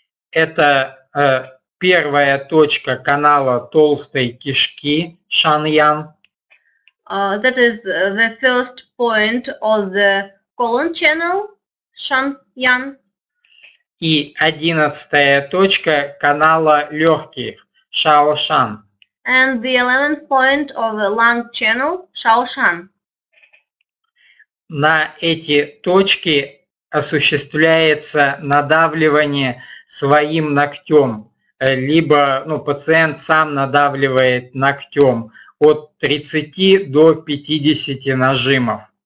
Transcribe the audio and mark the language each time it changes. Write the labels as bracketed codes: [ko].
[ru] Это первая точка канала толстой кишки, шаньян. [en] That is the first point of the colon channel, шаньян. [ru] И одиннадцатая точка канала легких, шаошан. [en] And the 11th point of the lung channel, шаошан. [ru] На эти точки осуществляется надавливание своим ногтем, либо пациент сам надавливает ногтем от 30 до 50 нажимов.